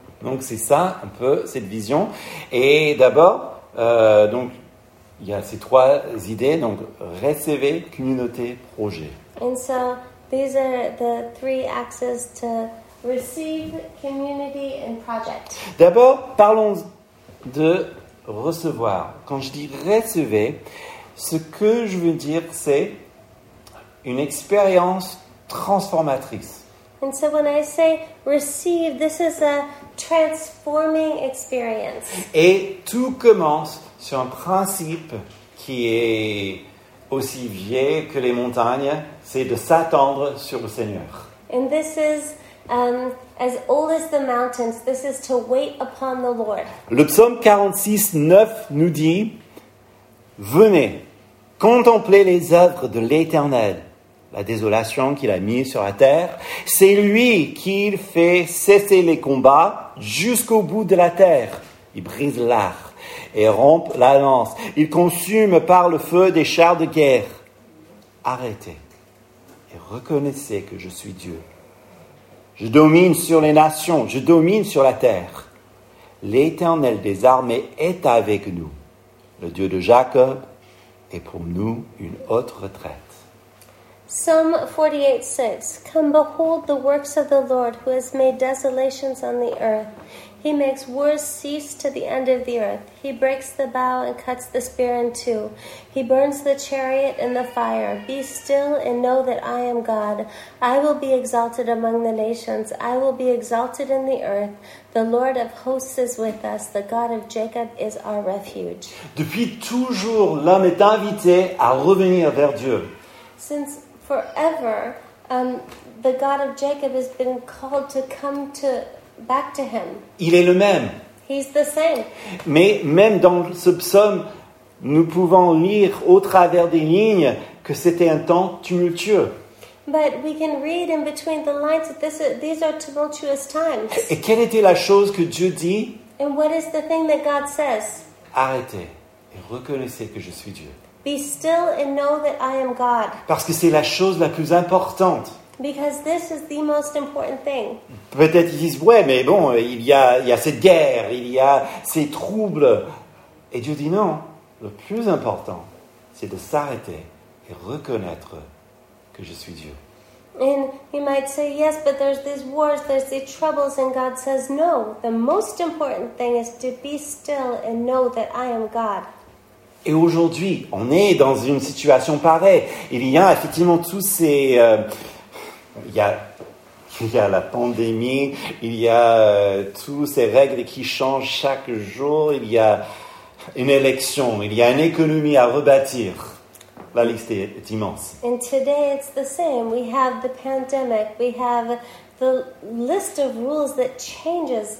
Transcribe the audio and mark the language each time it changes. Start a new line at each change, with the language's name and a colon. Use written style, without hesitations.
French: Donc c'est ça un peu cette vision. Et d'abord, donc il y a ces trois idées. Donc recevoir, communauté, projet.
English: And so these are the three axes to receive, community, and project.
French: D'abord, parlons de recevoir. Quand je dis recevoir, ce que je veux dire, c'est une expérience transformatrice.
English: And so when I say receive, this is a transforming experience.
French: Et tout commence sur un principe qui est aussi vieux que les montagnes, c'est de s'attendre sur le Seigneur.
English: And this is as old as the mountains, this is to wait upon the Lord.
French: Le psaume 46, 9 nous dit, venez, contemplez les œuvres de l'Éternel, la désolation qu'il a mise sur la terre. C'est lui qui fait cesser les combats jusqu'au bout de la terre. Il brise l'arc et rompt la lance. Il consume par le feu des chars de guerre. Arrêtez et reconnaissez que je suis Dieu. Je domine sur les nations, je domine sur la terre. L'Éternel des armées est avec nous. Le Dieu de Jacob est pour nous une haute retraite.
English: Psalm 48:6. Come behold the works of the Lord who has made desolations on the earth. He makes wars cease to the end of the earth. He breaks the bow and cuts the spear in two. He burns the chariot in the fire. Be still and know that I am God. I will be exalted among the nations. I will be exalted in the earth. The Lord of hosts is with us. The God of Jacob is our refuge.
French: Depuis toujours, l'homme est invité à revenir vers Dieu.
English: Since forever, the God of Jacob has been called to come to back to him.
French: Il est le même.
English: He's the same.
French: Mais même dans ce psaume, nous pouvons lire au travers des lignes que c'était un temps tumultueux.
English: But we can read in between the lines that these are tumultuous times.
French: Et quelle était la chose que Dieu dit?
English: And what is the thing that God says?
French: Arrêtez et reconnaissez que je suis Dieu.
English: Be still and know that I am God.
French: Parce que c'est la chose la plus importante.
English: Because this is the most important thing.
French: Peut-être ils disent, ouais, mais bon, il y a cette guerre, il y a ces troubles. Et Dieu dit, non, le plus important, c'est de s'arrêter et reconnaître que je suis Dieu.
English: And you might say, yes, but there's these wars, there's these troubles, and God says, no, the most important thing is to be still and know that I am God.
French: Et aujourd'hui, on est dans une situation pareille. Il y a effectivement tous ces... Il y a la pandémie, il y a toutes ces règles qui changent chaque jour, il y a une élection, il y a une économie à rebâtir. La liste est immense.
English: And today it's the same. We have the pandemic, we have the list of rules that changes.